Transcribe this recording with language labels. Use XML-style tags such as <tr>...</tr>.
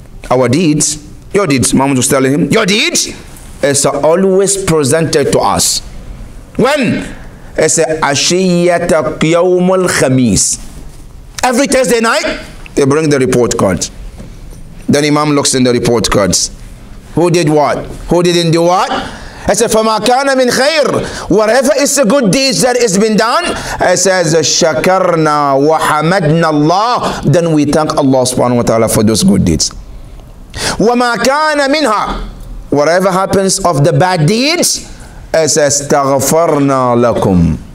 <en>Our deeds, your deeds, Imam was telling him, your deeds is always presented to us. When? It's a</en> <ar>ashiyata qiyawm al-khamis.</ar> <en>Every Thursday night, they bring the report cards. Then Imam looks in the report cards. Who did what? Who didn't do what? He said,</en> <ar>فَمَا كَانَ مِنْ خَيْرٍ.</ar> <en>Whatever is a good deed that has been done, he says,</en> <ar>شَكَرْنَا وَحَمَدْنَا اللَّهِ.</ar> <en>Then we thank Allah subhanahu wa ta'ala for those good deeds.</en> <ar>وَمَا كَانَ مِنْهَا.</ar> <en>Whatever happens of the bad deeds, he says,</en> <ar>استغفرنا لكم.</ar>